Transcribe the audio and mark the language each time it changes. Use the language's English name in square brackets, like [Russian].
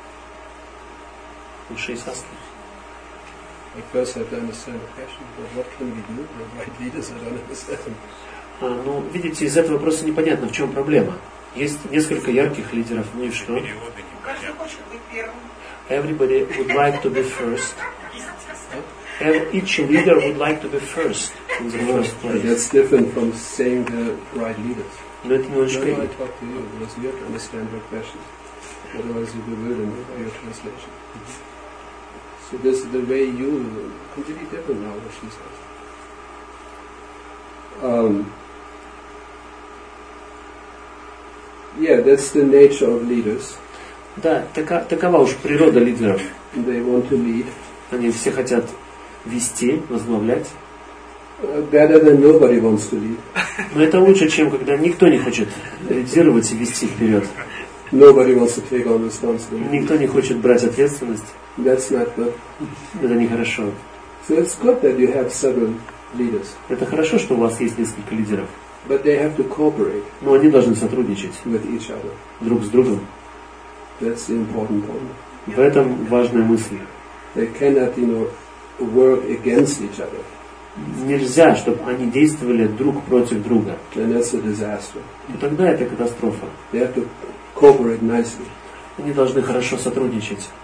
[English] What can we do? I first have to understand the question, but what can we do with bright leaders? I don't understand. [Russian] Ну, видите, из этого просто непонятно, в чем проблема. Есть несколько ярких лидеров, ну и что? Каждый хочет быть первым. [English] Everybody would like to be first. Each leader would like to be first in the first place. But that's different from saying the right leaders. [Russian] Но это немножко. [English] No, I talk to you because you have to understand the questions. Otherwise, you'll be bewildered by your translation. So this is the way you completely different now what she says. Yeah, that's the nature of leaders. [Russian] Да, такова уж природа лидеров. [English] They want to lead. [Russian] Они все хотят вести, возглавлять. [English] Better than nobody wants to lead. [Russian] Но это лучше, чем когда никто не хочет лидировать и вести вперед. [English] Nobody wants to take on responsibility. [Russian] Никто не хочет брать ответственность. [English] That's not good. [Russian] Это нехорошо. [English] So it's good that you have several leaders. [Russian] Это хорошо, что у вас есть несколько лидеров. [English] But they have to cooperate. [Russian] Но они должны сотрудничать [English] with each other. [Russian] Друг с другом. [English] That's the important point. [Russian] В этом важная мысль. [English] They cannot, you know, work against each other. [Russian] Нельзя, чтобы они действовали друг против друга. [English] Then that's a disaster. [Russian] И тогда это катастрофа. [English] They have to cooperate nicely. [Russian] Они должны хорошо сотрудничать.